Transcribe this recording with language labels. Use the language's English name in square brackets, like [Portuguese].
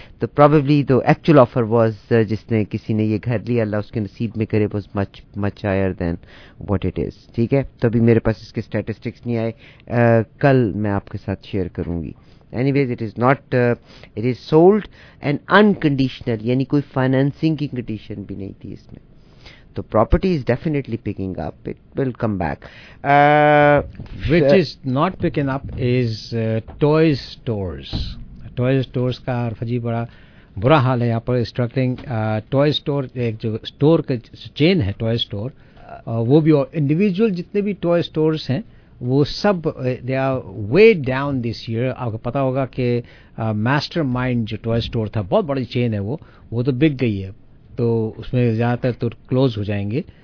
[English] تو پروبیبلی تو actual offer was, [Urdu] جس نے کسی نے یہ گھر لیا اللہ اس کے نصیب میں کرے, [English] Was much much higher than what it is. [Urdu] ٹھیک ہے, تو ابھی میرے پاس اس کے اسٹیٹسٹکس نہیں آئے, کل میں آپ کے ساتھ شیئر کروں گی. [English] anyways it is not, it is sold and unconditional, [Urdu] یعنی کوئی فائنینسنگ کی کنڈیشن بھی نہیں تھی اس میں. [English] تو property is definitely picking up, it will come back. Which is not picking up is toys stores. [Urdu] Toy stores کا Fiji بڑا برا حال ہے یہاں پر, اسٹرگلنگ ٹوائے اسٹور, ایک جو اسٹور کا چین ہے ٹوائے اسٹور, وہ بھی انڈیویجول جتنے بھی ٹوائے اسٹورس ہیں وہ سب [English] They are way down this year. [Urdu] آپ کو پتا ہوگا کہ ماسٹر مائنڈ جو ٹوائے اسٹور تھا, بہت بڑی چین ہے وہ, وہ تو بک گئی ہے, تو اس میں زیادہ تر تو کلوز ہو جائیں گے.